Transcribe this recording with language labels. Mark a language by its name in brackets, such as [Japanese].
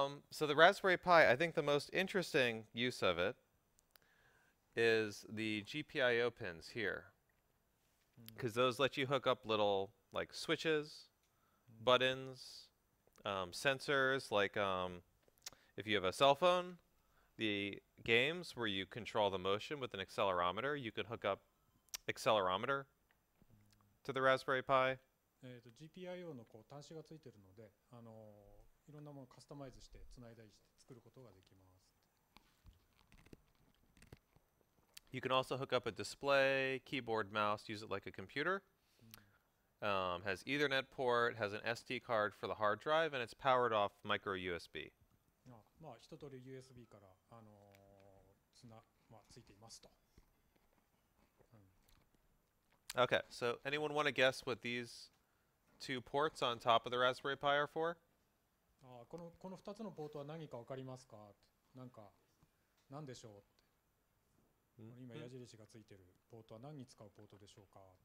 [English] So the Raspberry Pi, I think the most interesting use of it is the GPIO pins here, because those let you hook up little like switches, buttons, sensors. Like if you have a cell phone, the games where you control the motion with an accelerometer, you can hook up accelerometer to the Raspberry Pi. [Japanese] GPIO のこう端子がついてるので、あのいろんなものをカスタマイズして繋いだりして作ることができます。 [English] You can also hook up a display, keyboard, mouse, use it like a computer. Has Ethernet port, has an SD card for the hard drive, and it's powered off micro USB. [Japanese] まあ一通り USB からあのつな、まあ、ついていますと。 [English] Okay, so anyone want to guess what these two ports on top of the Raspberry Pi are for? [Japanese] ああ、この二つのポートは何かわかりますか？なんか何でしょうって。 Mm-hmm. 今矢印がついているポートは何に使うポートでしょうか？